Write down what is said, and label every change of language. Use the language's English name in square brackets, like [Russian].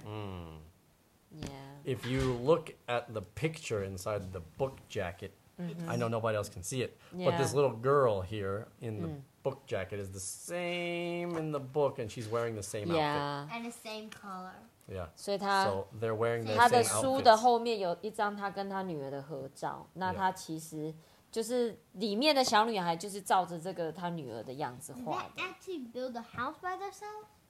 [English] Mm. Yeah. If you look at the picture inside the book jacket, I know nobody else can see it, but this little girl here in the book jacket is the same in the book, and she's wearing the same outfit. And the same color. Yeah. So they're wearing the same outfits. [Chinese] 他的书的后面有一张他跟他女儿的合照,那他其实... 就是里面的小女孩就是照着这个她女儿的样子画的。 [English] Did they actually build a house by themselves?